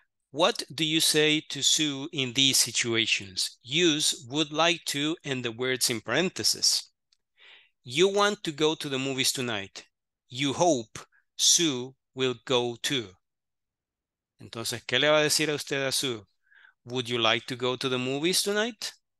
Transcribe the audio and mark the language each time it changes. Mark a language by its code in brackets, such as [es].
[en] What do you say to Sue in these situations? Use would like to and the words in parentheses. You want to go to the movies tonight. You hope Sue will go too. [es] Entonces, ¿qué le va a decir a usted a Sue? [en] Would you like to go to the movies tonight?